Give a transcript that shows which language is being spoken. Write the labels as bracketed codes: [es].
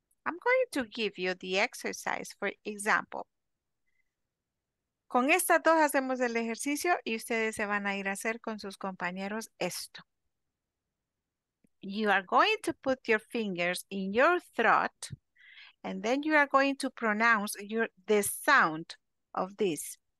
[en] I'm going to give you the exercise, for example. [es] Con estas dos hacemos el ejercicio y ustedes se van a ir a hacer con sus compañeros esto. [en] You are going to put your fingers in your throat and then you are going to pronounce the sound of this.